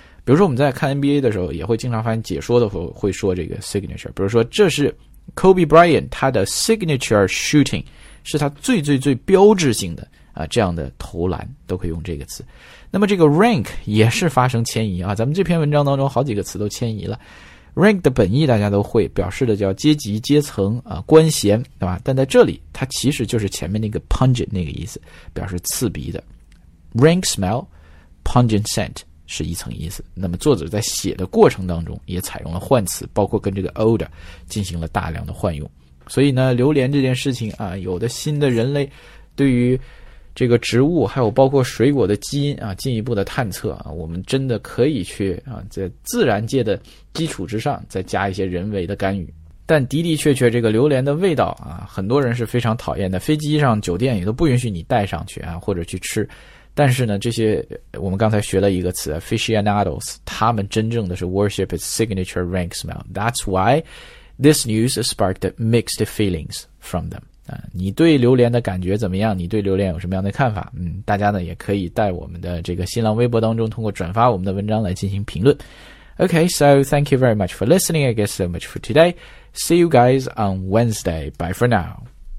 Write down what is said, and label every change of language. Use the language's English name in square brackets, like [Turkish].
[Chinese] 比如说我们在看 NBA 的时候，也会经常发现解说的时候会说这个 signature， 比如说这是 Kobe Bryant 他的 [English] signature shooting， [Chinese] 是他最最最标志性的啊这样的投篮，都可以用这个词。那么这个 rank 也是发生迁移啊，咱们这篇文章当中好几个词都迁移了。 rank 的本意大家都会，表示的叫阶级、阶层啊、官衔，对吧？但在这里，它其实就是前面那个 pungent 那个意思，表示刺鼻的。 [English] rank smell, pungent scent [Chinese] 是一层意思。那么作者在写的过程当中也采用了换词，包括跟这个 odor 进行了大量的换用。所以呢，榴莲这件事情啊，有的新的人类对于这个植物还有包括水果的基因啊，进一步的探测啊，我们真的可以去啊，在自然界的基础之上再加一些人为的干预。但的的确确这个榴莲的味道啊，很多人是非常讨厌的，飞机上酒店也都不允许你带上去啊，或者去吃。但是呢，这些我们刚才学了一个词 [English] aficionados， [Chinese] 他们真正的是 [English] worship its signature rank smell， that's why this news sparked mixed feelings from them。 [Chinese] 你对榴莲的感觉怎么样？你对榴莲有什么样的看法？大家呢也可以在我们的这个新浪微博当中通过转发我们的文章来进行评论。 [English] Okay, so thank you very much for listening. I guess so much for today. See you guys on Wednesday. Bye for now.